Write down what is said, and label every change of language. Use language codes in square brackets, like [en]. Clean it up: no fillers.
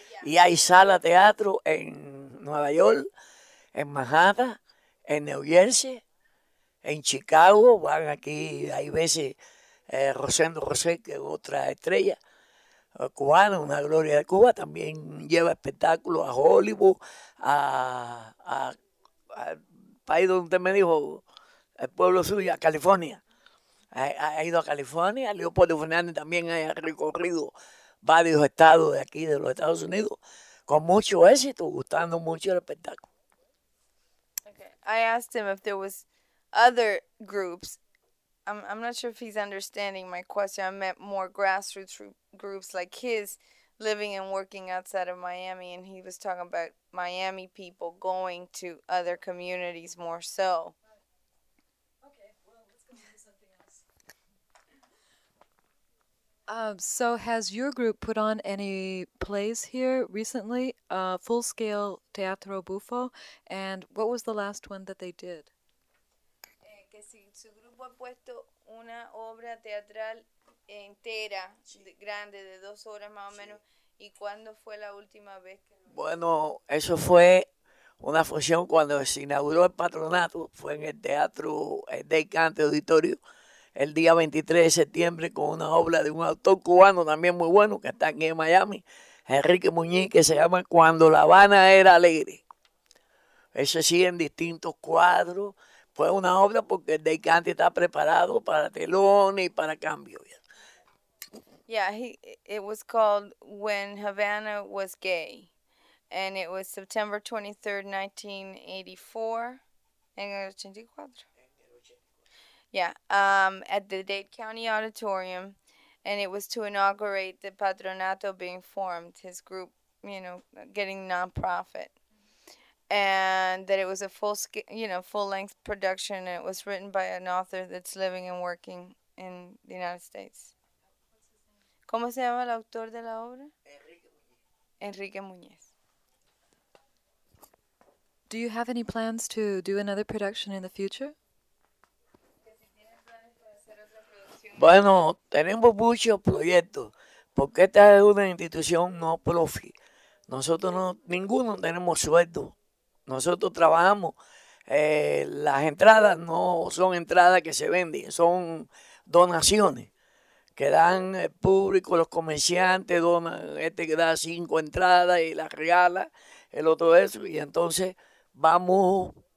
[es] Y hay sala teatro en Nueva York, en Manhattan, en New Jersey, en Chicago, van aquí, hay veces, Rosendo Rosé, que es otra estrella cubana, una gloria de Cuba, también lleva espectáculos a Hollywood, a país donde usted me dijo, el pueblo suyo, a California. Ha ido a California, Leopoldo Fernández también ha recorrido varios estados de aquí, de los Estados Unidos, con mucho éxito, gustando mucho el espectáculo. [en] I asked him if there was other groups. I'm not sure if he's understanding my question. I meant more grassroots groups like his living and working outside of Miami. And he was talking about Miami people going to other communities more so. Okay, well, let's go into something else. So has your group put on any plays here recently? Full-scale Teatro Bufo, and what was the last one that they did? [es] Que si su grupo ha puesto una obra teatral entera, sí. Grande, de dos horas más o menos, sí. ¿Y cuándo fue la última vez? Que... Bueno, eso fue una función cuando se inauguró el patronato, fue en el teatro Del Cante Auditorio, el día 23 de septiembre, con una obra de un autor cubano también muy bueno, que está aquí en Miami, Enrique Muñiz, que se llama Cuando La Habana Era Alegre. Ese sí, en distintos cuadros. Fue una obra porque el Del Cante está preparado para telón y para cambio. [en] Yeah, it was called When Havana Was Gay. And it was September 23rd, 1984. [es] En el 84. [en] Yeah, at the Dade County Auditorium, and it was to inaugurate the Patronato being formed, his group, you know, getting nonprofit, and that it was a full, you know, full-length production, and it was written by an author that's living and working in the United States. [es] ¿Cómo se llama el autor de la obra? Enrique Muñez. Enrique Muñez. [en] Do you have any plans to do another production in the future? [es] Bueno, tenemos muchos proyectos, porque esta es una institución no profit. Nosotros no, ninguno tenemos sueldo. Nosotros trabajamos, las entradas no son entradas que se venden, son donaciones que dan el público, los comerciantes donan, este que da 5 entradas y las regala, el otro eso, y entonces vamos